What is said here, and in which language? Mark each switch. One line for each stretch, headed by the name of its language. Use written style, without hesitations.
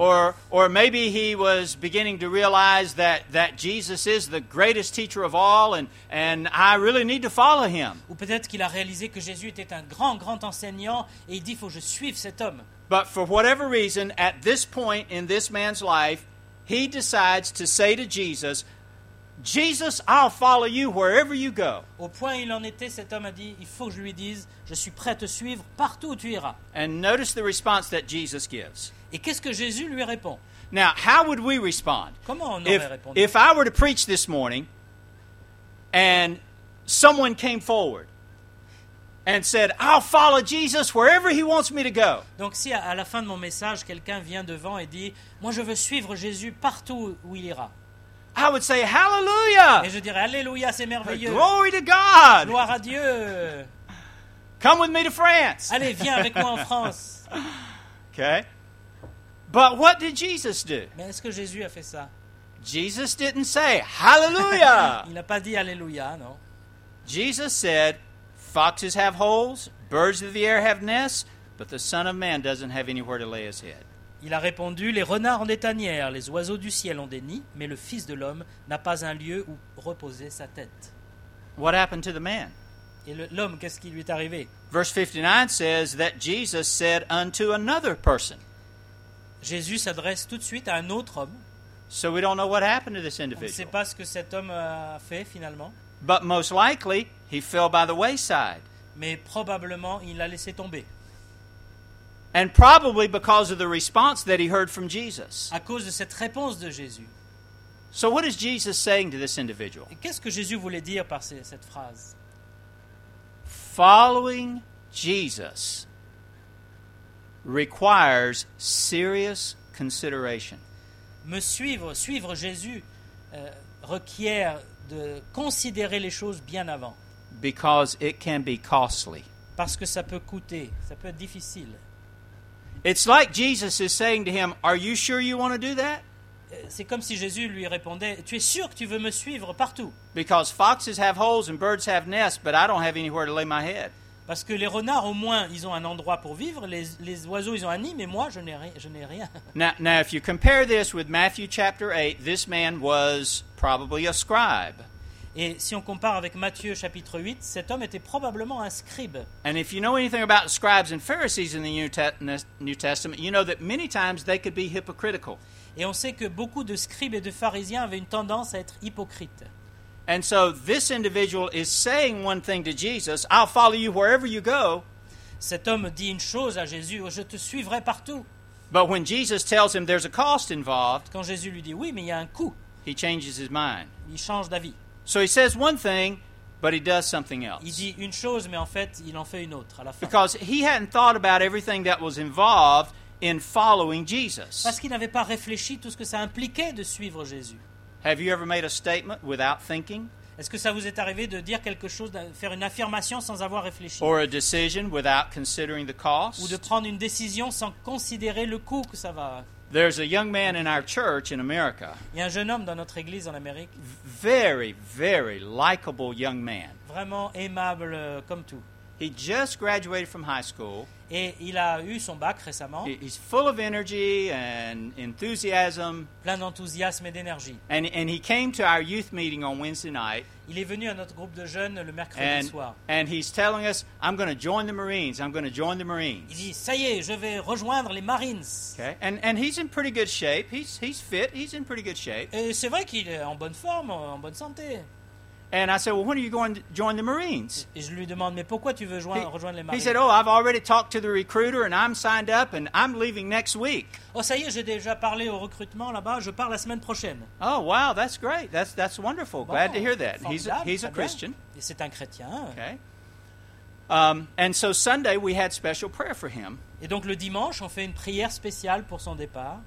English: Or maybe he was beginning to realize that Jesus is the greatest teacher of all and I really need to follow him.
French: Ou peut-être qu'il a réalisé que Jésus était un grand enseignant et il dit, il faut que je suive cet homme.
English: But for whatever reason, at this point in this man's life, he decides to say to Jesus, Jesus, I'll follow you wherever you go.
French: Au point où il en était, cet homme a dit, il faut que je lui dise, je suis prêt à te suivre partout où tu iras.
English: And notice the response that Jesus gives.
French: Et qu'est-ce que Jésus lui répond?
English: Now, how would we respond?
French: Comment on aurait répondu?
English: If I were to preach this morning, and someone came forward, and said, I'll follow Jesus wherever he wants me to go.
French: Donc si à la fin de mon message, quelqu'un vient devant et dit, moi je veux suivre Jésus partout où il ira.
English: I would say hallelujah.
French: Et je dirais alléluia, c'est merveilleux.
English: Glory to God.
French: Gloire à Dieu.
English: Come with me to France.
French: Allez, viens avec moi en France.
English: Okay. But what did Jesus do?
French: Mais est-ce que Jésus a fait ça?
English: Jesus didn't say hallelujah.
French: Il n'a pas dit alléluia, non.
English: Jesus said, foxes have holes, birds of the air have nests, but the Son of Man doesn't have anywhere to lay his head.
French: Il a répondu, les renards ont des tanières, les oiseaux du ciel ont des nids, mais le Fils de l'homme n'a pas un lieu où reposer sa tête.
English: What happened to the man?
French: Et l'homme, qu'est-ce qui lui est arrivé?
English: Verse 59 says that Jesus said unto another person.
French: Jésus s'adresse tout de suite à un autre homme.
English: So we don't know what happened to this individual.
French: On ne sait pas ce que cet homme a fait finalement.
English: But most likely, he fell by the wayside.
French: Mais probablement, il l'a laissé tomber.
English: And probably because of the response that he heard from Jesus.
French: À cause de cette réponse de Jésus.
English: So what is Jesus saying to this individual?
French: Et qu'est-ce que Jésus voulait dire par cette phrase?
English: Following Jesus requires serious consideration.
French: Me suivre Jésus requiert de considérer les choses bien avant.
English: Because it can be costly.
French: Parce que ça peut coûter, ça peut être difficile.
English: It's like Jesus is saying to him, "Are you sure you want to do that?"
French: C'est comme si Jésus lui répondait, "Tu es sûr que tu veux me suivre partout?"
English: Because foxes have holes and birds have nests, but I don't have anywhere to lay my head.
French: Parce que les renards au moins ils ont un endroit pour vivre, les oiseaux ils ont un nid, mais moi je n'ai rien.
English: Now if you compare this with Matthew chapter 8, this man was probably a scribe.
French: Et si on compare avec Matthieu chapitre 8, cet homme était probablement un scribe.
English: And if you know anything about scribes and Pharisees in the New Testament, you know that many times they could be hypocritical.
French: Et on sait que beaucoup de scribes et de pharisiens avaient une tendance à être hypocrites.
English: And so this individual is saying one thing to Jesus, I'll follow you wherever you go.
French: Cet homme dit une chose à Jésus, je te suivrai partout.
English: But when Jesus tells him there's a cost involved,
French: quand Jésus lui dit oui, mais il y a un coût,
English: he changes his mind.
French: Il change d'avis.
English: So he says one thing, but he does something else.
French: Il dit une chose, mais en fait, il en fait une autre à la fin.
English: Because he hadn't thought about everything that was involved in following Jesus.
French: Parce qu'il n'avait pas réfléchi tout ce que ça impliquait de suivre Jésus.
English: Have you ever made a statement without thinking?
French: Est-ce que ça vous est arrivé de dire quelque chose, de faire une affirmation sans avoir réfléchi?
English: Or a decision without considering the cost?
French: Ou de prendre une décision sans considérer le coût que ça va.
English: There's a young man in our church in America.
French: Il y a un jeune homme dans notre église en Amérique.
English: Very, very likable young man.
French: Vraiment aimable comme tout.
English: He just graduated from high school.
French: Et il a eu son bac récemment.
English: He's full of energy and enthusiasm.
French: Plein d'enthousiasme et d'énergie.
English: And he came to our youth meeting on Wednesday night.
French: Il est venu à notre groupe de jeunes le mercredi soir.
English: And he's telling us, I'm going to join the Marines. I'm going to join the Marines.
French: Il dit, ça y est, je vais rejoindre les Marines.
English: Okay. And he's in pretty good shape. He's fit. He's in pretty good shape.
French: Et c'est vrai qu'il est en bonne forme, en bonne santé.
English: And I said, well, when are you going to join the Marines?
French: Et je lui demande, mais pourquoi tu veux rejoindre les Marines?
English: He said, oh, I've already talked to the recruiter and I'm signed up and I'm leaving next week.
French: Oh, ça y est, j'ai déjà parlé au recrutement là-bas, je pars la semaine prochaine.
English: Oh, wow, that's great. That's wonderful.
French: Bon,
English: glad to hear that.
French: Formidable,
English: he's a Christian.
French: Et c'est un chrétien.
English: Okay. And so Sunday we had special prayer for him.
French: Et donc le dimanche, on fait une prière spéciale pour son départ.